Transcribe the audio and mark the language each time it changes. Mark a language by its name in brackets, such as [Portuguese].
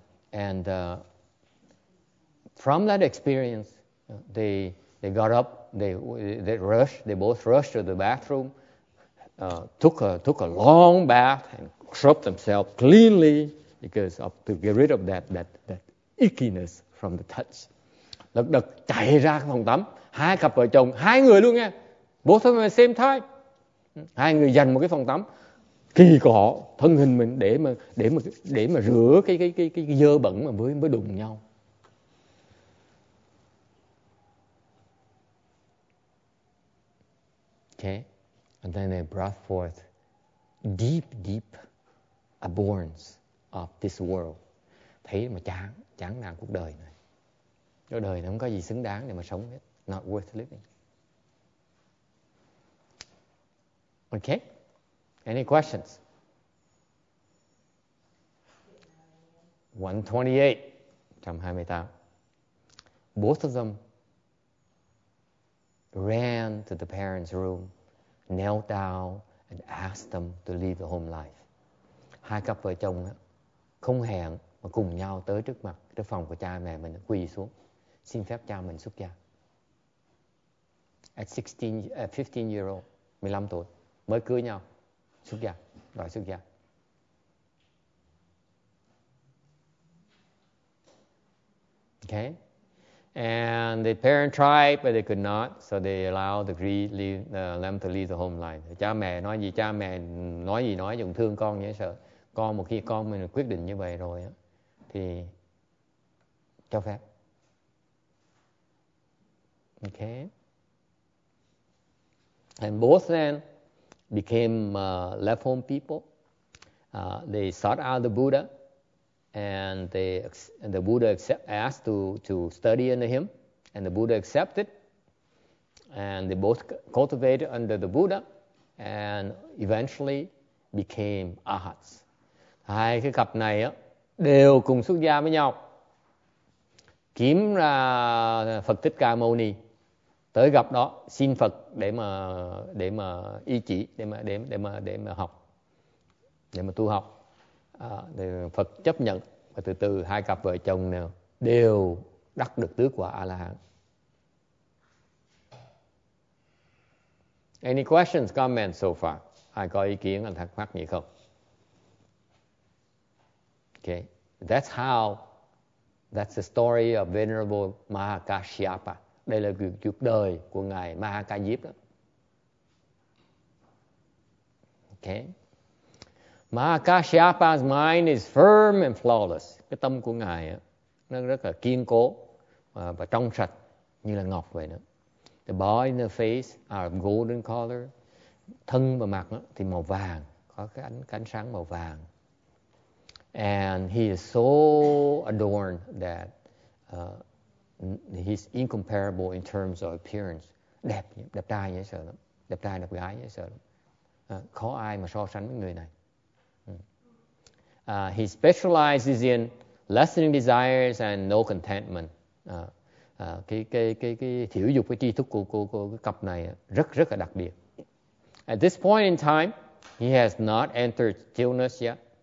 [English] And from that experience, they got up, they rushed, they both rushed to the bathroom, took a long bath and scrubbed themselves cleanly because of to get rid of that ickiness from the touch. [Vietnamese] Lật đật chạy ra phòng tắm, hai cặp vợ chồng, hai người luôn nha, [English] both of them at the same time, [Vietnamese] hai người dành một cái phòng tắm kỳ cọ thân hình mình để mà rửa cái dơ bẩn mà mới đụng nhau. [English] Okay, and then they brought forth deep abhorrence of this world. [Vietnamese] Thấy mà chán nản cuộc đời này. Cuộc đời này không có gì xứng đáng để mà sống hết. [English] Not worth living. Okay. Any questions? 128. Both of them ran to the parents' room, knelt down, and asked them to leave the home life. [Vietnamese] Hai cặp vợ chồng không hẹn mà cùng nhau tới trước mặt, trước phòng của cha mẹ mình, quỳ xuống, xin phép cha mình xuất gia. [English] At 15 year old, [Vietnamese] 15 tuổi, mới cưới nhau. Xuất gia, đòi xuất gia. [English] Okay. And the parent tried, but they could not, so they allowed them to leave the home life. [Vietnamese] Cha mẹ nói gì, dùng thương con nhé, sợ. Con một khi con mình quyết định như vậy rồi, thì cho phép. [English] Okay. And both then became left home people. They sought out the Buddha, and the Buddha asked to study under him, and the Buddha accepted, and they both cultivated under the Buddha, and eventually became arhats. [Vietnamese] Hai cái cặp này á, đều cùng xuất gia với nhau, kiếm ra Phật Thích Ca Mâu Ni. Tới gặp đó xin Phật để mà y chỉ để mà học, để mà tu học. Thì Phật chấp nhận và từ từ hai cặp vợ chồng nào đều đắc được tứ quả A La Hán. [English] Any questions, comments so far? [Vietnamese] Ai có ý kiến anh thắc mắc gì không? [English] Okay, that's how, that's the story of Venerable Mahakashyapa. [Vietnamese] Đây là cuộc đời của Ngài Mahakayip đó. [English] Okay. Mahakashyapa's mind is firm and flawless. [Vietnamese] Cái tâm của Ngài á, nó rất là kiên cố và trong sạch như là ngọc vậy đó. [English] The body and the face are of golden color. [Vietnamese] Thân và mặt á, thì màu vàng, có cái ánh sáng màu vàng. [English] And he is so adorned that he's incomparable in terms of appearance. [Vietnamese] Đẹp trai dễ sợ lắm. Đẹp trai, đẹp gái dễ sợ lắm. Khó ai mà so sánh với người này. [English] He specializes in lessening desires and no contentment. [Vietnamese] Cái thiểu dục, cái tri thức của cái cặp này rất rất là đặc biệt. [English] At this point in time, he has not entered stillness yet.